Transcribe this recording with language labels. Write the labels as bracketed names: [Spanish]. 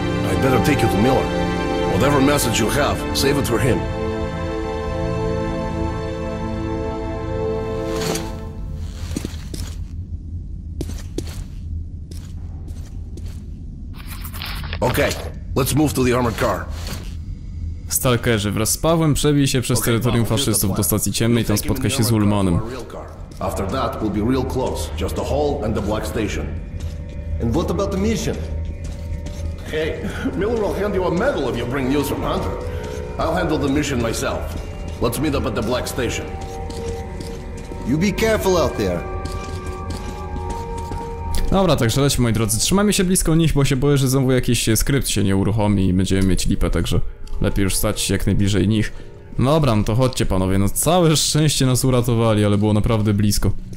[English] I'd better take you to Miller. Whatever message you have, save it for him. Okay, let's move to the armored car. [Polish] Stalkerzy wraz z Pawłem przebił się przez terytorium faszystów do stacji ciemnej, tam spotka się z Ulmanem. [English] After that, we'll be real close. Just the hall and the black station. And what about the mission? Hey, Miller will hand you a medal if you bring news from Hunter. I'll handle the mission myself. Let's meet up at the Black Station. You be careful out there. [Polish] Dobra, także lecimy, moi drodzy. Trzymajmy się blisko nich, bo się boję, że znowu jakiś skrypt się nie uruchomi i będziemy mieć lipę, także lepiej już stać się jak najbliżej nich. Dobra, no to chodźcie, panowie. No całe szczęście nas uratowali, ale było naprawdę blisko.